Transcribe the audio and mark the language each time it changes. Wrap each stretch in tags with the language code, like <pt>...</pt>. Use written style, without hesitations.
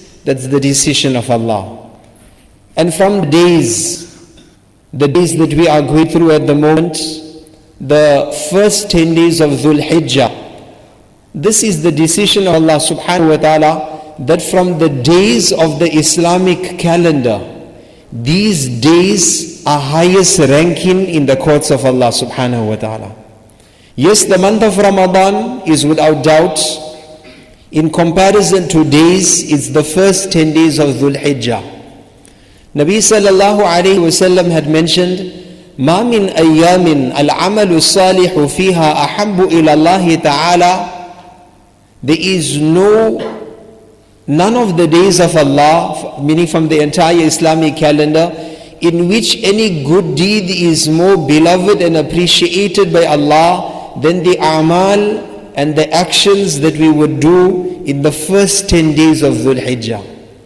<en>That's the decision of Allah. And from the days that we are going through at the moment, the first 10 days of Dhul Hijjah, this is the decision of Allah subhanahu wa ta'ala, that from the days of the Islamic calendar, these days are highest ranking in the courts of Allah subhanahu wa ta'ala. Yes, the month of Ramadan is without doubt, in comparison to days, it's the first 10 days of Dhul Hijjah.</en> <ar>Nabi sallallahu alayhi wa sallam</ar> <en>had mentioned,</en> <ar>مَا مِنْ أَيَّامٍ الْعَمَلُ الصَّالِحُ فِيهَا أَحَبُّ إِلَى اللَّهِ تَعَالَى.</ar> <en>There is none of the days of Allah, meaning from the entire Islamic calendar, in which any good deed is more beloved and appreciated by Allah than the a'mal and the actions that we would do in the first 10 days of Dhul Hijjah.</en>